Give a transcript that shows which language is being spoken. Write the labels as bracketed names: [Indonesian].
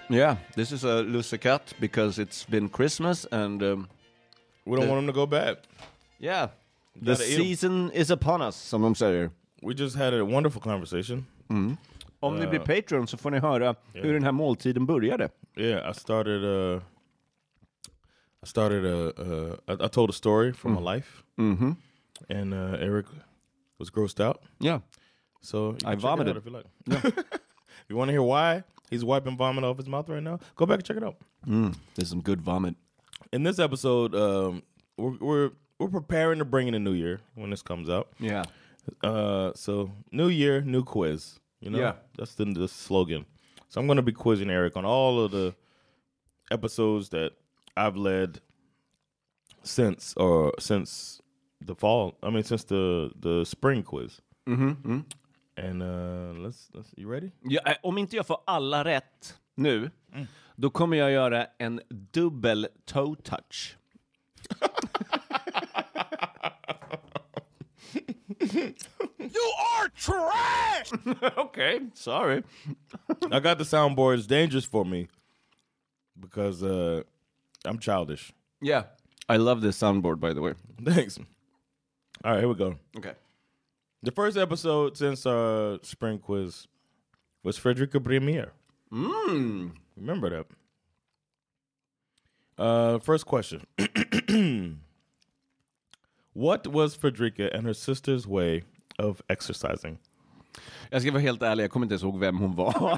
[English] Yeah, this is a lusikat because it's been Christmas and we don't want them to go bad. Yeah, the season is upon us. Some of them say. We just had a wonderful conversation. Mm. [Swedish] Om ni blir patron så får ni höra hur den här måltiden började. [English] Yeah, I told a story from my life, and Eric was grossed out. Yeah, so you I vomited. Check it out if you like. Yeah. You want to hear why he's wiping vomit off his mouth right now? Go back and check it out. Mm, there's some good vomit. In this episode, we're preparing to bring in a new year when this comes out. Yeah. So new year, new quiz. You know, yeah. That's the slogan. So I'm going to be quizzing Eric on all of the episodes that I've led since the fall. I mean, since the spring quiz. Mm-hmm. And let's you ready? [Swedish] Ja, om inte jag får alla rätt nu, då kommer jag göra en dubbel toe touch. [English] You are trash. Okay, sorry. I got the soundboard. It's dangerous for me because I'm childish. Yeah, I love this soundboard, by the way. Thanks. All right, here we go. Okay. The first episode since our spring quiz was Frederica Bremier. Mm. Remember that. First question. What was Frederica and her sister's way of exercising? [Swedish] Jag ska vara helt ärlig, jag kommer inte ihåg vem hon var.